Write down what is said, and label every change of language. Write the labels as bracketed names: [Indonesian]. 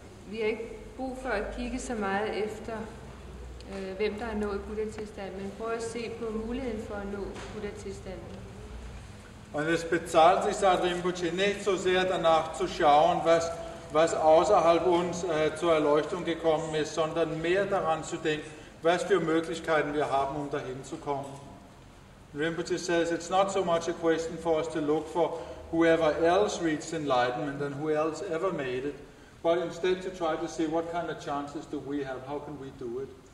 [Danish] Vi har ikke brug for at kigge så meget efter hvem der har nået Buddha-tilstand, men prøv at se på muligheden for at nå Buddha-tilstand. [German] Und es bezahlt sich, sagt Rinpoche, nicht so sehr danach zu schauen, was außerhalb uns zur Erleuchtung gekommen ist, sondern mehr daran zu denken, was für Möglichkeiten wir haben, um dahin zu kommen. [English] Rinpoche says, it's not so much a question for us to look for whoever else reached enlightenment and who else ever made it, but instead to try to see what kind of chances do we have, how can we do it?